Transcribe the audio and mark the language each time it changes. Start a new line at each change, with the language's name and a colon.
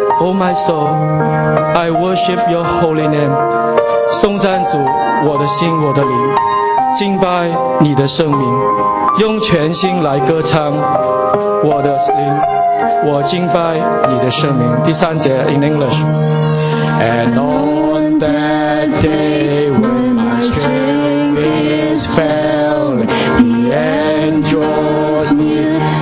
English: Oh my soul, I worship your holy name.
Chinese: 颂赞主，我的心，我的灵，敬拜你的圣名，用全心来歌唱，我的灵，我敬拜你的圣名。第三节
English: in English. And on that day when my strength is failed, the end draws near.